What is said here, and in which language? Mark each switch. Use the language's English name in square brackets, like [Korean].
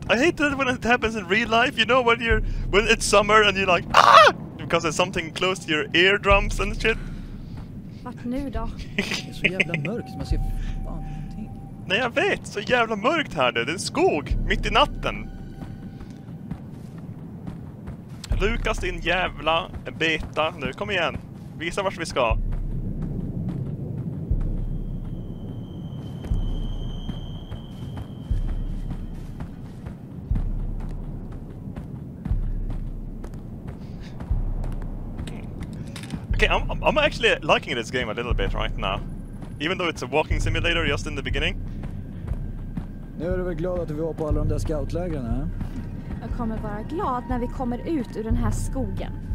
[English] I hate that when it happens in real life. You know, when it's summer and you're like, ah! Because there's something close to your eardrums and shit. [Swedish] Vart nu då? Det är så jävla mörkt, man ser fan. Nej, jag vet. Så jävla mörkt här. Det är en skog mitt i natten. Lukas, din jävla beta. Nu, kom igen. Visa vart vi ska. [English] Okay, I'm actually liking this game a little bit right now. Even though it's a walking simulator just in the beginning. [Swedish] Nu är du väl glad att vi var på alla de där scoutlägren, eh? Jag kommer vara glad när vi kommer ut ur den här skogen.